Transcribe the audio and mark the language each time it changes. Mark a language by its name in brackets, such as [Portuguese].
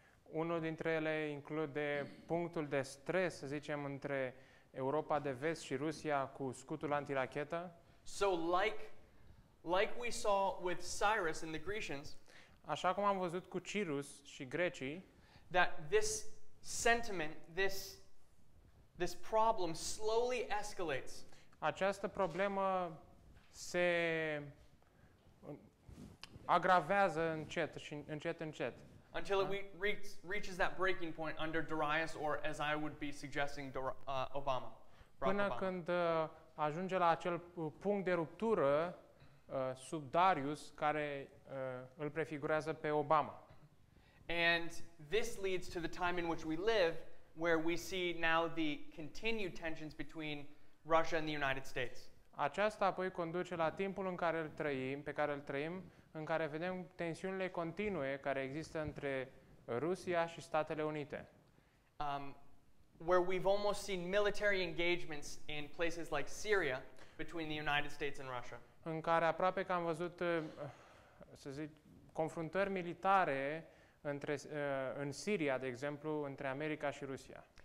[Romanian] Unul dintre ele include punctul de stres, să zicem, între Europa de Vest și Rusia cu scutul antirachetă. [English] So like we saw with Cyrus and the Grecians, [Romanian] așa cum am văzut cu Cirus și grecii, [English] that this sentiment, this problem slowly escalates. [Romanian] Această problemă se agravează încet și încet. [English] Until it reaches that breaking point under Darius, or as I would be suggesting, Obama, [Romanian] până când ajunge la acel punct de ruptură sub Darius, care îl prefigurează pe Obama. [English] And this leads to the time in which we live, where we see now the continued tensions between Russia and the United States. [Romanian] Aceasta apoi conduce la timpul în care îl trăim, pe care îl trăim, în care vedem tensiunile continue care există între Rusia și Statele Unite. [English] Where we've almost seen military engagements in places like Syria between the United States and Russia. [Romanian] În care aproape că am văzut, să zic, confruntări militare între în Siria, de exemplu, între America și Rusia.